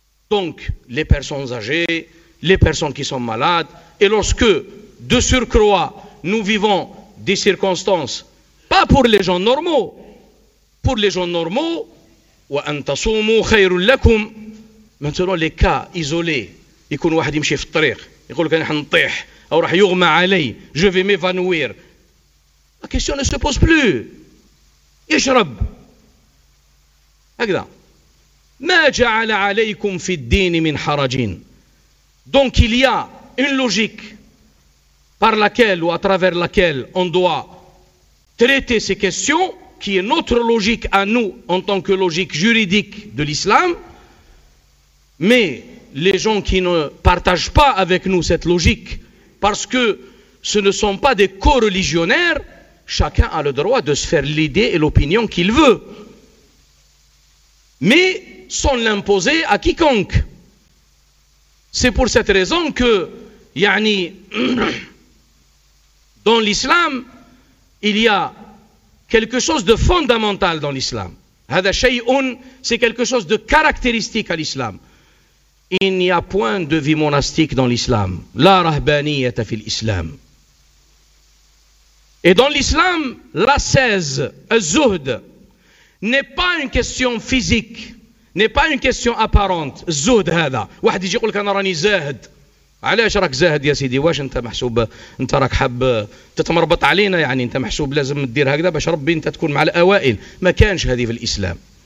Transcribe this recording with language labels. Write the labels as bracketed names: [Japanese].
[French] Donc, les personnes âgées, les personnes qui sont malades, et lorsque, de surcroît, nous vivons des circonstances, pas pour les gens normaux, pour les gens normaux, [Arabic] وأن تصوموا خير لكم. [French] Maintenant, les cas isolés, [Arabic] يكون واحد يمشي في الطريق, يقول لك أنا حنطيح, أو راح يغمى علي, [French] je vais m'évanouir. La question ne se pose plus. [Arabic] يشرب هكذا ما جعل عليكم في الدين من حرجين. [French] Donc il y a une logique par laquelle ou à travers laquelle on doit traiter ces questions, qui est notre logique à nous en tant que logique juridique de l'islam, mais les gens qui ne partagent pas avec nous cette logique parce que ce ne sont pas des co-religionnaires, chacun a le droit de se faire l'idée et l'opinion qu'il veut, mais sans l'imposer à quiconque. C'est pour cette raison que, yani, dans l'islam, il y a quelque chose de fondamental dans l'islam. [Arabic] Hada shay'un, [French] c'est quelque chose de caractéristique à l'islam. Il n'y a point de vie monastique dans l'islam. [Arabic] La rahbaniyata fil islam. [French] Et dans l'islam, l'ascèse, az-zuhd, n'est pas une question physique, n'est pas une question apparente. [Arabic] Az-zuhd hada. واحد يجي يقول لك انا راني زاهد. علاش راك زاهد يا سيدي؟ واش انت محسوب انت راك حاب تتمربط علينا يعني انت محسوب لازم تدير هكذا باش ربي انت تكون مع الاوائل؟ ما كانش هذه في الاسلام.